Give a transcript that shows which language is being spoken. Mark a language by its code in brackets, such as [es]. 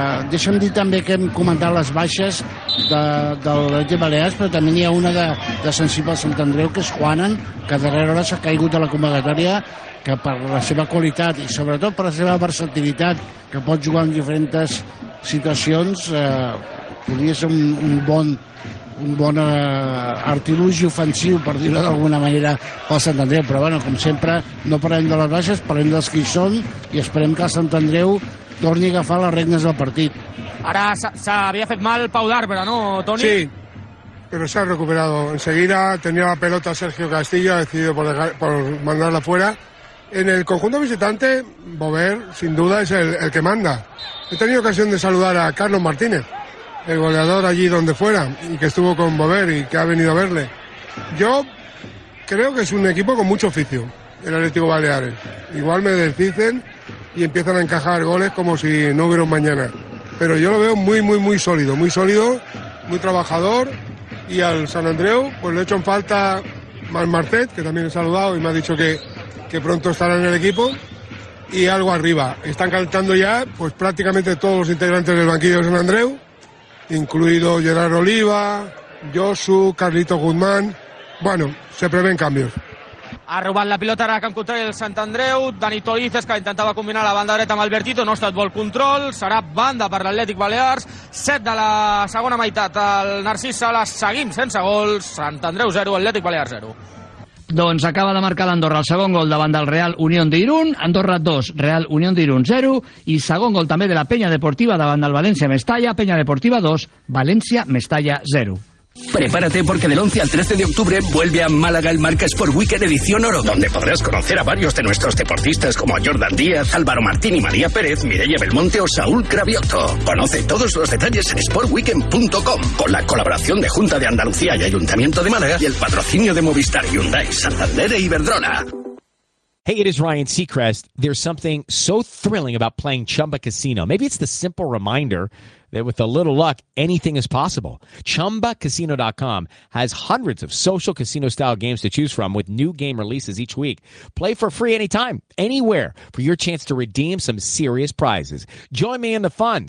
[ca] Deixa'm dir també que hem comentat les baixes de l'Atlètic Balears, però també n'hi ha una de sensible al Sant Andreu, que és Juanan, que darrere hora s'ha caigut a la convocatòria, que per la seva qualitat i sobretot per la seva versatilitat, que pot jugar en diferents situacions, podria ser un bon artilugi ofensiu, per dir-ho d'alguna manera, pel Sant Andreu. Però bueno, com sempre, no parlem de les baixes, parlem dels que hi són, i esperem que el Sant Andreu torni a agafar les regnes del partit. Ara s'havia fet mal Pau d'Arbre, no, Toni? [es] Sí, pero se ha recuperado enseguida. Tenía la pelota Sergio Castillo, ha decidido por mandarla fuera. En el conjunto visitante, Bover, sin duda, es el que manda. He tenido ocasión de saludar a Carlos Martínez, el goleador allí donde fuera, y que estuvo con Bover y que ha venido a verle. Yo creo que es un equipo con mucho oficio, el Atlético Baleares. Igual me deslicen y empiezan a encajar goles como si no hubiera un mañana. Pero yo lo veo muy, muy, muy sólido, muy sólido, muy trabajador. Y al San Andreu, pues le he hecho en falta Marc Martet, que también he saludado y me ha dicho que pronto estará en el equipo, y algo arriba. Están calentando ya pues prácticamente todos los integrantes del banquillo de San Andreu, incluido Gerard Oliva, Josu, Carlito Guzmán. Bueno, se prevén cambios. [ca] Ha robat la pilota ara a camp contrari del Sant Andreu. Dani Tolices, que intentava combinar la banda dreta amb Albertito, no ha estat bon control. Serà banda per l'Atlètic Balears. 7 de la segona meitat. El Narcís Sala, seguim sense gols. Sant Andreu 0, Atlètic Balears 0. Doncs acaba de marcar l'Andorra el segon gol davant del Real Unión de Irún. Andorra 2, Real Unión de Irún 0. I segon gol també de la Penya Deportiva davant del València Mestalla. Penya Deportiva 2, València Mestalla 0. [es] Prepárate porque del 11 al 13 de octubre vuelve a Málaga el Marca Sport Weekend edición oro, donde podrás conocer a varios de nuestros deportistas como Jordan Díaz, Álvaro Martín y María Pérez, Mireia Belmonte o Saúl Cravioto. Conoce todos los detalles en sportweekend.com, con la colaboración de Junta de Andalucía y Ayuntamiento de Málaga y el patrocinio de Movistar, Hyundai, Santander e Iberdrola. [en] Hey, it is Ryan Seacrest. There's something so thrilling about playing Chumba Casino. Maybe it's the simple reminder that with a little luck, anything is possible. ChumbaCasino.com has hundreds of social casino-style games to choose from with new game releases each week. Play for free anytime, anywhere for your chance to redeem some serious prizes. Join me in the fun.